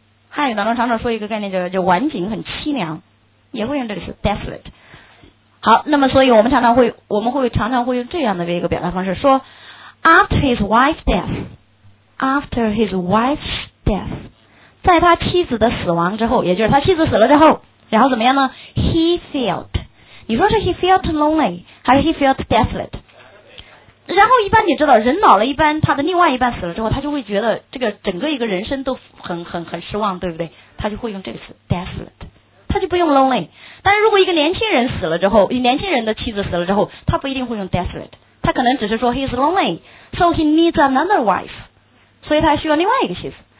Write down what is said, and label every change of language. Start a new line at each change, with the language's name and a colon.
Chinese: 汉语当中常常说一个概念叫晚景很凄凉，也会用这个词 desolate。好，那么所以我们常常会用这样的一个表达方式说
English: after his wife's death，
Chinese: 在他妻子的死亡之后，也就是他妻子死了之后，然后怎么样呢？
English: he feltYou say he felt lonely, or he felt desolate.
Chinese: 然后一般你知道，人老了，一般他的另外一半死了之后，他就会觉得这个整个一个人生都很失望，对不对？他就会用这个词 desolate， 他就不用 lonely。但是如果一个年轻人死了之后，年轻人的妻子死了之后，他不一定会用 desolate， 他可能只是说
English: he is lonely, so he needs another wife，
Chinese: 所以他需要另外一个妻子。